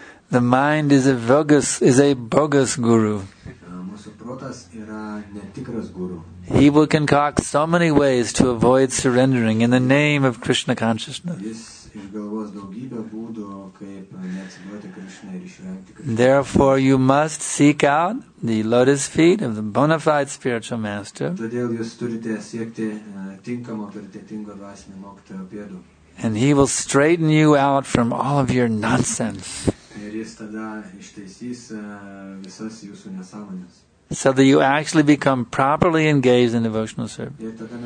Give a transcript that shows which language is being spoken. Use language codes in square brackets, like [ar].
[en] The mind is a bogus guru. [lt] Mūsų protas yra netikras guru. [en] He will concoct so many ways to avoid surrendering in the name of Krishna consciousness. [lt] Jis išgalvos daugybę būdų, kaip neatsiduoti Krishna ir išvengti Krishna. [en] Therefore you must seek out the lotus feet of the bona fide spiritual master. [lt] Todėl jūs turite siekti tinkamo, vertetingo dvasinio mokytojo pėdų. [en] And he will straighten you out from all of your nonsense. So that you actually become properly engaged in devotional service.